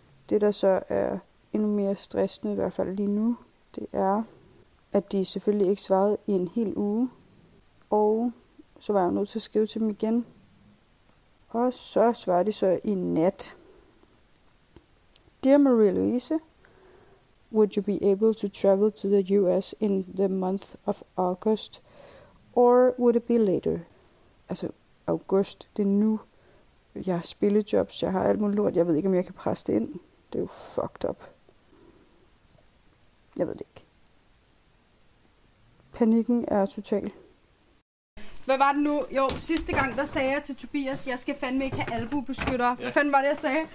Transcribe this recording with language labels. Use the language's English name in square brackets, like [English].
[Danish] Det der så er endnu mere stressende, i hvert fald lige nu, det er, at de selvfølgelig ikke svarede i en hel uge, og så var jeg nødt til at skrive til dem igen. Og så svarede de så i nat. [English] Dear Maria Louise, would you be able to travel to the US in the month of August? Or would it be later? [Danish] Altså, august, det er nu. Jeg har spillejobs, jeg har alt muligt lort. Jeg ved ikke, om jeg kan presse det ind. Det er jo fucked up. Jeg ved det ikke. Panikken er total. Hvad var det nu? Jo, sidste gang, der sagde jeg til Tobias, jeg skal fandme ikke have albuebeskyttere. Ja. Hvad fanden var det, jeg sagde?